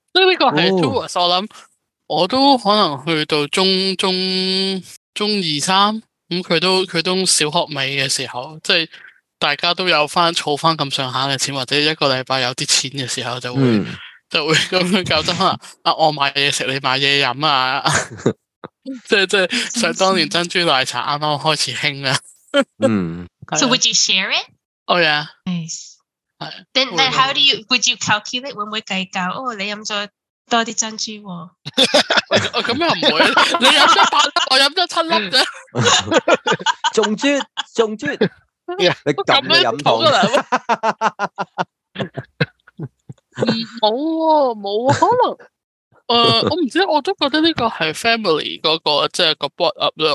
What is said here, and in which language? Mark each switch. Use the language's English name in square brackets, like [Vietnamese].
[Cantonese] 即系呢个系 tools， 我谂。我都可能去到中二三，咁佢都小学尾嘅时候，即系大家都有翻储翻咁上下嘅钱，或者一个礼拜有啲钱嘅时候就会咁样搞得啊！我买嘢食，你买嘢饮啊！即系想当年珍珠奶茶啱啱开始兴啊！嗯 [English] ，So would you share it? Oh yeah, nice. Then how do you would you calculate [Cantonese] 会唔会计较？哦，你饮咗。多啲珍珠喎、哦，我咁又唔会，你饮咗八粒，我饮咗七粒啫。仲珠， [English] yeah, [Cantonese] 你咁嘅饮桶啊？冇喎，冇啊，可能，我唔知，我都觉得呢个系 family 嗰、那个即系个 [English] brought up [Cantonese] 啦。